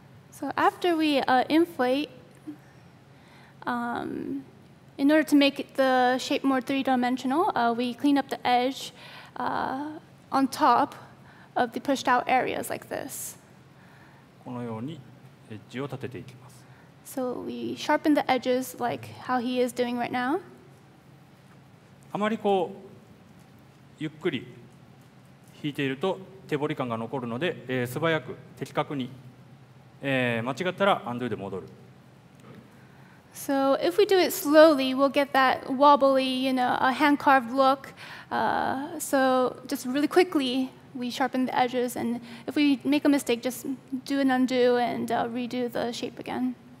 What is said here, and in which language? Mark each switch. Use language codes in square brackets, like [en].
[en] So after we inflate, in order to make the shape more three-dimensional, we clean up the edge on top of the pushed out areas like this. [ja] このようにエッジを立てていきます。 [en] So we sharpen the edges like how he is doing right now. [ja] あまりこうゆっくり引いていると手彫り感が残るので、素早く的確に間違ったらアンドゥで戻る。 [en] So if we do it slowly, we'll get that wobbly, you know, a hand-carved look. So just really quickly, we sharpen the edges, and if we make a mistake, just do an undo and redo the shape again.